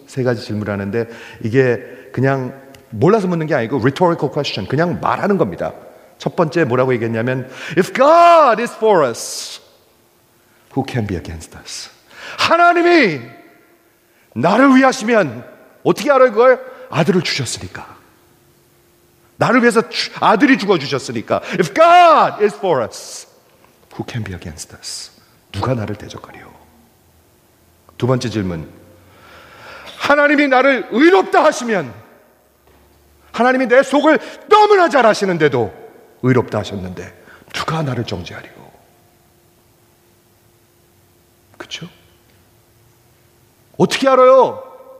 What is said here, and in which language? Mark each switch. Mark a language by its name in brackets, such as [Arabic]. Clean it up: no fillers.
[Korean] 세 가지 질문을 하는데 이게 그냥 몰라서 묻는 게 아니고 [English] rhetorical question, [Korean] 그냥 말하는 겁니다. 첫 번째 뭐라고 얘기했냐면 [English] If God is for us, who can be against us? [Korean] 하나님이 나를 위하시면 어떻게 알아요 그걸? 아들을 주셨으니까. 나를 위해서 아들이 죽어주셨으니까. [English] If God is for us, who can be against us? [Korean] 누가 나를 대적하리요? 두 번째 질문. 하나님이 나를 의롭다 하시면, 하나님이 내 속을 너무나 잘 아시는데도 의롭다 하셨는데 누가 나를 정죄하리요? 그렇죠? 어떻게 알아요?